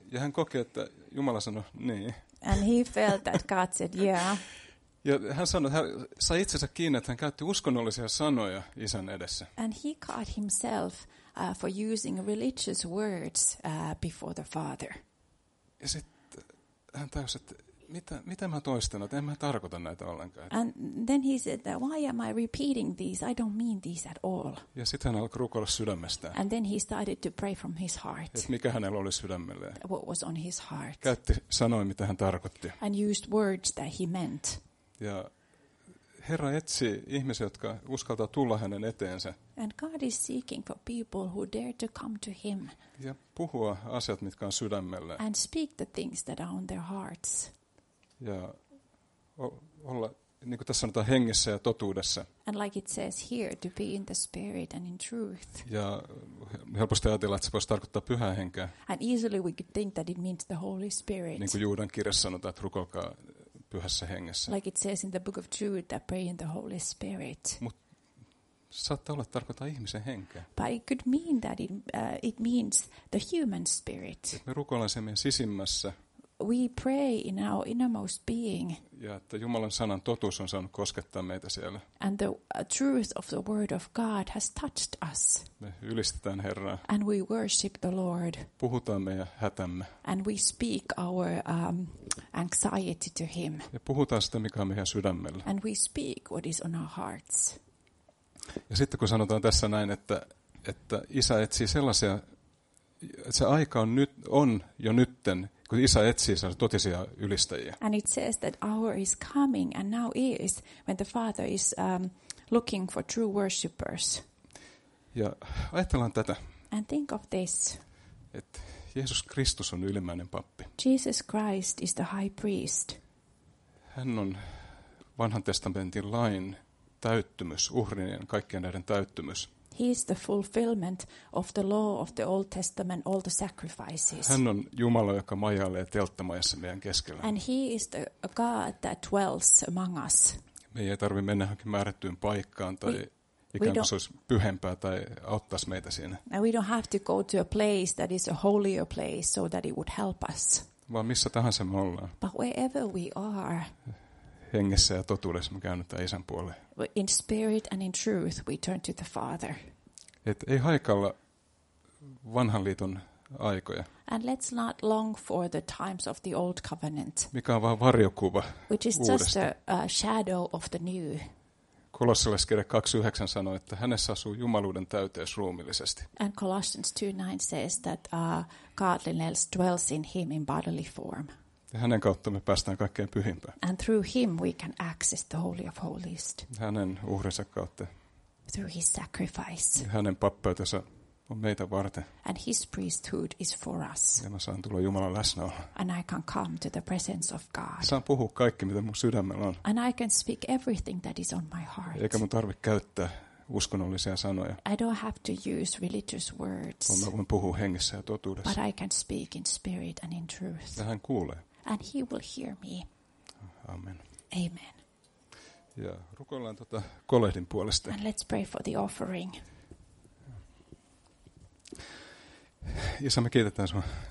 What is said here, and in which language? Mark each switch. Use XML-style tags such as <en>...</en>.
<fi>Ja hän koki, että Jumala sanoi niin.</fi> <en>And he felt that God said, yeah.</en> <fi>Ja hän sanoi, että hän sai itsensä kiinni, että hän käytti uskonnollisia sanoja isän edessä.</fi> <en>And he caught himself for using religious words before the father.</en> <fi>Ja sitten hän tajusi, että mitä mä toistan, että en mä tarkoita näitä ollenkaan.</fi> <en>And then he said, why am I repeating these? I don't mean these at all.</en> <fi>Ja sitten hän alkoi rukoilla sydämestään.</fi> <en>And then he started to pray from his heart.</en> <fi>Et mikä hänellä oli sydämellä.</fi> <en>What was on his heart.</en> <fi>Käytti sanoja, mitä hän tarkoitti.</fi> <en>And used words that he meant.</en> <fi>Ja Herra etsi ihmisiä, jotka uskaltaa tulla hänen eteensä.</fi> <en>And God is seeking for people who dare to come to him.</en> <fi>Ja puhua asiat, mitkä on sydämellä.</fi> <en>And speak the things that are on their hearts.</en> <fi>Ja olla, niin kuin tässä sanotaan, hengessä ja totuudessa.</fi> <en>And like it says here, to be in the spirit and in truth.</en> <fi>Ja helposti ajatella, että se voisi tarkoittaa pyhää henkeä.</fi> <en>And easily we could think that it means the Holy Spirit.</en> <fi>Niin kuin Juudan kirjassa sanotaan, että rukoilkaa pyhässä hengessä.</fi> <en>Like it says in the book of Jude, that pray in the Holy Spirit.</en> <fi>Mut saattaa olla, että tarkoittaa ihmisen henkeä.</fi> <en>But it could mean that it means the human spirit.</en> <fi>Et me rukoillaan se meidän sisimmässä.</fi> <en>We pray in our innermost being.</en> <fi>Ja että Jumalan sanan totuus on saanut koskettaa meitä siellä.</fi> <en>And the truth of the word of God has touched us.</en> <fi>Me ylistetään Herraa.</fi> <en>And we worship the Lord.</en> <fi>Puhutaan meidän hätämme.</fi> <en>And we speak our anxiety to him.</en> <fi>Ja puhutaan sitä, mikä on meidän sydämellä.</fi> <en>And we speak what is on our hearts.</en> <fi>Ja sitten kun sanotaan tässä näin, että isä etsii sellaisia, että se aika on nyt, on jo nytten, kun isä etsii sellaisia totisia ylistäjiä.</fi> <en>And it says that hour is coming and now is when the father is looking for true worshippers.</en> <fi>Ja ajatellaan tätä.</fi> <en>And think of this.</en> <fi>Että Jeesus Kristus on ylimmäinen pappi.</fi> <en>Jesus Christ is the high priest.</en> <fi>Hän on Vanhan testamentin lain täyttymys, uhrien kaikkien näiden täyttymys.</fi> <en>He is the fulfillment of the law of the Old Testament, all the sacrifices.</en> <fi>Hän on Jumala, joka majailee telttamajassa meidän keskellä.</fi> <en>And he is the God that dwells among us.</en> <fi>Me ei tarvitse mennä johonkin määrättyyn paikkaan tai ikään kuin se olisi pyhempää tai auttaisi meitä siinä.</fi> <en>And we don't have to go to a place that is a holier place so that it would help us.</en> <fi>Vaan missä tahansa me ollaan.</fi> <en>But wherever we are.</en> <fi>Hengessä ja totuudessa me käännytään isän puoleen.</fi> <en>In spirit and in truth we turn to the Father.</en> <fi>Et ei haikalla vanhan liiton aikoja.</fi> <en>And let's not long for the times of the old covenant.</en> <fi>Mikä on vaan varjokuva.</fi> <en>Which is</en> <fi>uudesta.</fi> <en>Just a shadow of the new.</en> <fi>Kolossalaiskirja 2:9 sanoo, että hänessä asuu jumaluuden täyteys ruumillisesti.</fi> <en>And Colossians 2:9 says that godliness dwells in him in bodily form.</en> <fi>Ja hänen kautta me päästään kaikkein pyhimpään.</fi> <en>And through him we can access the holy of holies.</en> <fi>Hänen uhrinsa kautta.</fi> <en>Through his sacrifice.</en> <fi>Ja hänen pappeutensa on meitä varten.</fi> <en>And his priesthood is for us.</en> <fi>Ja mä saan tulla Jumalan läsnäolo.</fi> <en>And I can come to the presence of God.</en> <fi>Saan puhua kaikki mitä mun sydämellä on.</fi> <en>And I can speak everything that is on my heart.</en> <fi>Eikä mun tarvi käyttää uskonnollisia sanoja.</fi> <en>I don't have to use religious words.</en> <fi>Mä voin puhua hengessä ja totuudessa.</fi> <en>But I can speak in spirit and in truth.</en> <fi>Ja hän kuulee.</fi> <en>And he will hear me.</en> <fi>Amen.</fi> <en>Amen.</en> <fi>Ja rukoillaan tuota kolehdin puolesta.</fi> <en>And let's pray for the offering.</en> <fi>Isä, me kiitetään sinua.</fi>